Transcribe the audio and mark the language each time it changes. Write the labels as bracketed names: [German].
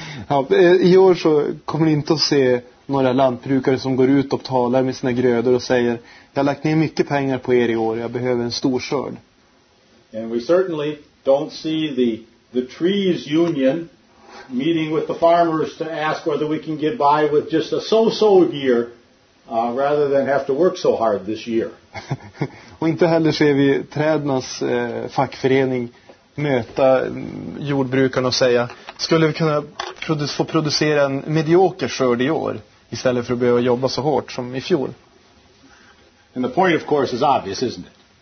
[Swedish] Ja, i år så kommer ni inte att se några lantbrukare som går ut och talar med sina grödor och säger, jag har lagt ner mycket pengar på er i år, jag behöver en stor skörd. [English] And we certainly don't see the trees union meeting with the farmers to ask whether we can get by with just a so-so year rather than have to work so hard this year. [Swedish] Och inte heller ser vi trädnas fackförening möta jordbrukarna och säga, skulle vi kunna få producera en medioker skörd i år istället för att behöva jobba så hårt som i fjol. [English] And the point of course is obvious, isn't it?